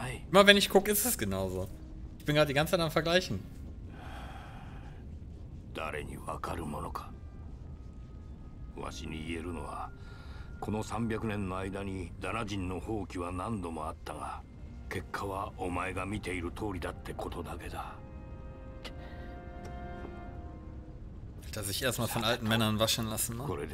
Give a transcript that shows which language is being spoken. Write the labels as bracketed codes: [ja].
[de] Immer wenn ich guck, ist es genauso. Ich bin gerade die ganze Zeit am Vergleichen. [ja] 誰にわかるものか。わしに言えるのはこの300年の間にダナ人の放棄は何度もあったが、結果はお前が見ている通りだってことだけだ。 [de] Dass ich erstmal von alten Männern waschen lassen muss.